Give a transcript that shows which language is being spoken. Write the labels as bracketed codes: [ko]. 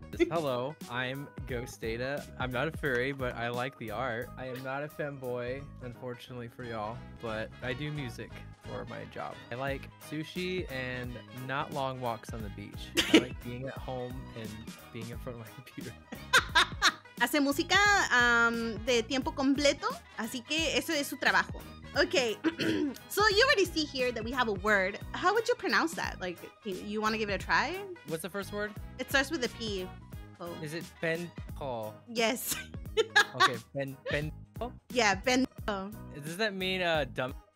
[en] Hello, I'm Ghost Data. I'm not a furry, but I like the art. I am not a femboy, unfortunately for y'all, but I do music for my job. I like sushi and not long walks on the beach. I like being at home and being in front of my computer. [es] Hace música de tiempo completo, así que eso es su trabajo. [en] Okay, so you already see here that we have a word. How would you pronounce that? Like, you want to give it a try? What's the first word? It starts with a P. Oh. Is it pen-po? Yes. Okay, pen-po? Yeah, pen. Does that mean dumb?